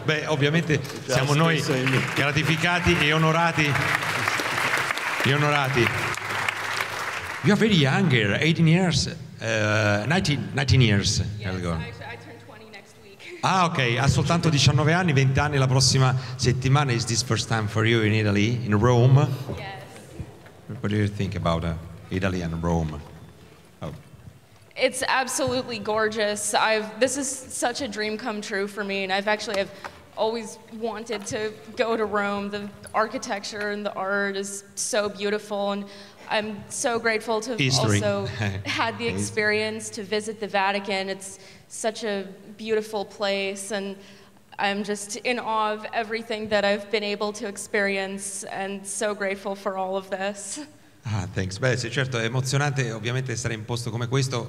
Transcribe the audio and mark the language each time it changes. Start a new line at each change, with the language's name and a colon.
Italian: Beh, ovviamente siamo noi gratificati e onorati. E onorati.
English: You are very younger, 18 years, 19 years. Yes, I turn 20 next week.
Italian: Ah, ok, ha soltanto 19 anni, 20 anni la prossima settimana.
English: Is this first time for you in Italy, in Rome? Yes. What do you think about Italy and Rome? It's absolutely gorgeous. This is such a dream come true for me, and I've always wanted to go to Rome. The architecture and the art is so beautiful, and I'm so grateful to have also had the experience to visit the Vatican. It's such a beautiful place, and I'm just in awe of everything that I've been able to experience, and so grateful for all of this. Ah, thanks.
Italian: Beh, sì, certo, è emozionante ovviamente stare in posto come questo.